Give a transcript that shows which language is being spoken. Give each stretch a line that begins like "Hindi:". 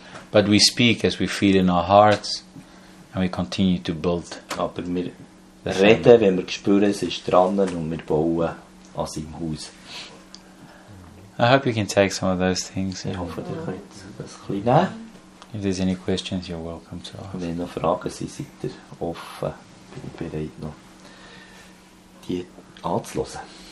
English: But we speak as we feel in our hearts and we continue to build.
German: Reden, wenn wir spüren, es ist dran und wir bauen an seinem Haus.
English: I hope you can take some of those things.
German: Ich hoffe, ihr könnt das ein bisschen.
English: If there's any questions, you're welcome to ask.
German: Wenn noch Fragen sind, seid ihr offen. Bin ich bereit, noch die anzuhören.